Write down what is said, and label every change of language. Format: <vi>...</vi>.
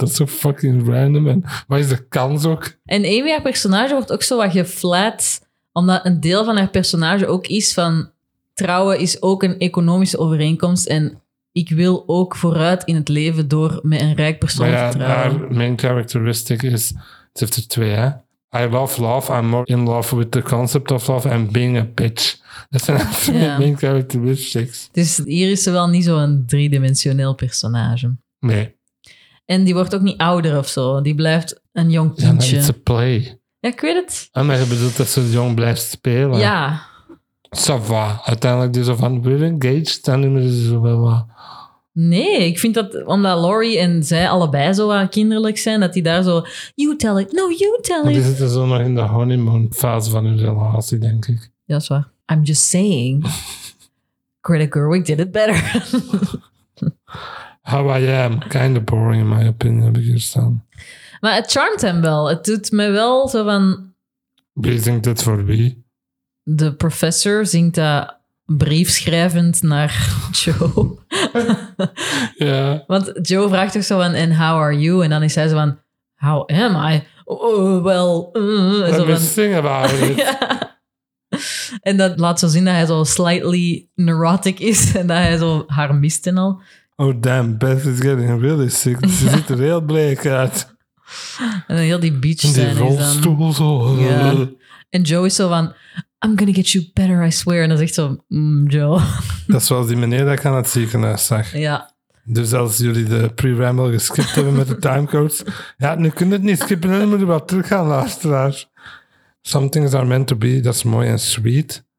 <nl>Dat is zo fucking random. En wat is de kans ook? En Amy, haar personage wordt ook zo wat geflat. Omdat een deel van haar personage ook is van... Trouwen is ook een economische overeenkomst. En ik wil ook vooruit in het leven door met een rijk persoon te trouwen. Haar main characteristic is... Het heeft er twee, hè.</nl> <en>I love love. I'm more in love with the concept of love and being a bitch.</en> <nl>Dat zijn de main characteristics. Dus hier is ze wel niet zo'n driedimensioneel personage. Nee. En die wordt ook niet ouder of zo. Die blijft een jong kindje.</nl> <en>It's a play.</en> <nl>Ja, ik weet het. En maar je bedoelt dat ze jong blijft spelen. Ja.</nl> <fr>Ça va.</fr> <nl>Uiteindelijk is ze van,</nl> <en>we're engaged.</en> <nl>Dan is ze zo wel wat. Nee, ik vind dat omdat Laurie en zij allebei zo wat kinderlijk zijn, dat die daar zo,</nl> <en>you tell it, no, you tell it.</en> <nl>Die zitten zo nog in de honeymoon fase van hun relatie, denk ik. Ja, dat is waar.</nl> <en>I'm just saying, Greta Gerwig did it better. How I am, kind of boring in my opinion,</en> <nl>heb ik hier staan. Maar het charmt hem wel. Het doet me wel zo van... Wie zingt dit voor wie? De professor zingt dat briefschrijvend naar Joe. Ja. Want Joe vraagt toch zo van,</nl> <en>and how are you?</en> <nl>En dan is hij zo van,</nl> <en>how am I? Oh, well... Let me sing about it.</en> <nl>En dat laat zo zien dat hij zo</nl> <en>slightly neurotic</en> <nl>is en dat hij zo haar mist en al.</nl> <en>Oh damn, Beth is getting really sick.</en> <nl>Ze ziet er heel bleek uit. En dan heel die beach scène. Die rolstoel zo.</nl> <en>Yeah.</en> <nl>En Joe is zo van,</nl> <en>I'm gonna get you better, I swear.</en> <nl>En dan zegt zo, Joe. Dat is wel die meneer dat ik aan het ziekenhuis zag. Ja. Dus als jullie de pre-ramble geskipt hebben met de timecodes. Ja, nu kun je het niet skippen en dan moet je wel terug gaan luisteraars.</nl> <en>Some things are meant to be, that's</en> <nl>mooi en</nl> <en>sweet.</en>